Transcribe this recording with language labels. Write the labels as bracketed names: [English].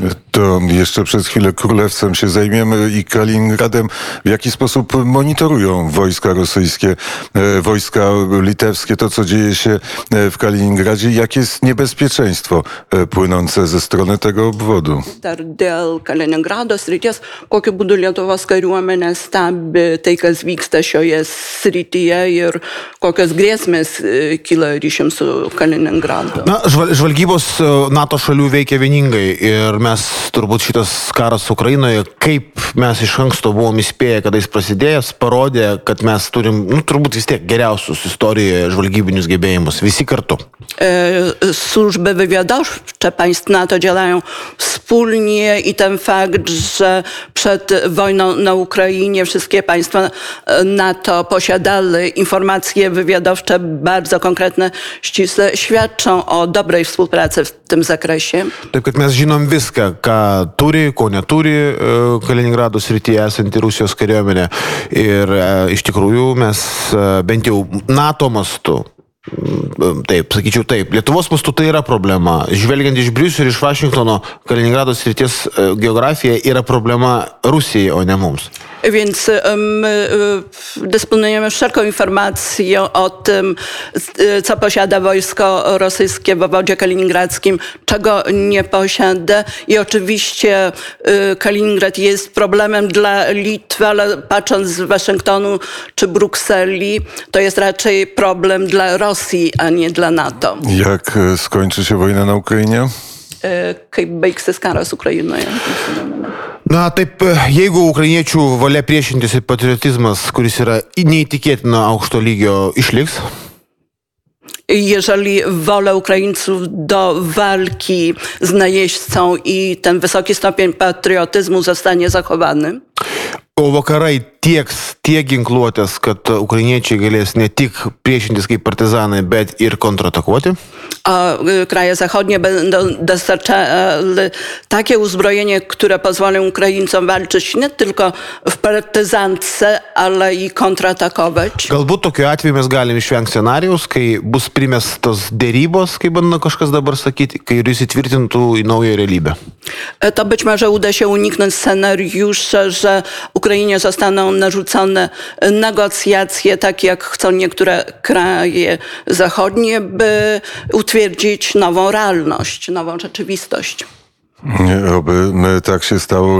[Polish] To jeszcze przez chwilę Królewcem się zajmiemy i Kaliningradem. W jaki sposób monitorują wojska rosyjskie, wojska litewskie, to co dzieje się w Kaliningradzie? Jakie jest niebezpieczeństwo płynące ze strony tego obwodu? [Lithuanian] Dar dėl Kaliningrado srities, kokiu būdu Lietuvos kariuomenė stebi tai, kas vyksta šioje srityje ir kokios grėsmės kyla ryšiams su Kaliningradu? Na, žvalgybos NATO šalių veikia vieningai ir mes turbūt šitas karas Ukrainoje, kaip mes iš anksto buvom įspėję, kada jis prasidėjęs, parodė, kad mes turim, nu, turbūt vis tiek geriausius istorijoje žvalgybinius gebėjimus, visi kartu. [Polish] Służby wywiadowcze państw NATO działają wspólnie i ten fakt, że przed wojną na Ukrainie wszystkie państwa NATO posiadały informacje wywiadowcze bardzo konkretne, ścisłe, świadczą o dobrej współpracy w tym zakresie. [Lithuanian] Taip, kad mes žinom viską, ką turi, ko neturi Kaliningrado srityje esanti Rusijos kariuomenė. Ir iš tikrųjų mes bent jau NATO mastu. Taip, sakyčiau taip. Lietuvos mastu tai yra problema. Žvelgiant iš Briuselio ir iš Vašingtono, Kaliningrado srities geografija yra problema Rusijai, o ne mums. [Polish] Więc my dysponujemy wszelką informacją o tym, co posiada wojsko rosyjskie w obwodzie kaliningradzkim, czego nie posiada. I oczywiście Kaliningrad jest problemem dla Litwy, ale patrząc z Waszyngtonu czy Brukseli, to jest raczej problem dla Rosji, a nie dla NATO. Jak skończy się wojna na Ukrainie? [Lithuanian] Kaip baigsis karas Ukrainoje? Na taip, jeigu ukrainiečių valia priešintis ir patriotizmas, kuris yra neįtikėtina aukšto lygio, išliks? [Polish] Jeżeli wolę Ukraińców do walki z najeźdźcą i ten wysoki stopień patriotyzmu zostanie zachowany? [Lithuanian] O vakarai tieks tie ginkluotės, kad ukrainiečiai galės ne tik priešintis kaip partizanai, bet ir kontratakuoti? [Polish] O kraje zachodnie będą dostarczały takie uzbrojenie, które pozwolą Ukraińcom walczyć nie tylko w partyzance, ale i kontratakować. [Lithuanian] Galbūt tokiu atveju mes galim išvengti scenarijus, kai bus primestos derybos, kaip bando kažkas dabar sakyti, kai jis įtvirtintų į naują realybę. [Polish] To być może uda się uniknąć scenariusza, że Ukrainie zostaną narzucone negocjacje, tak jak chcą niektóre kraje zachodnie, by utwierdzić nową realność, nową rzeczywistość. Oby tak się stało.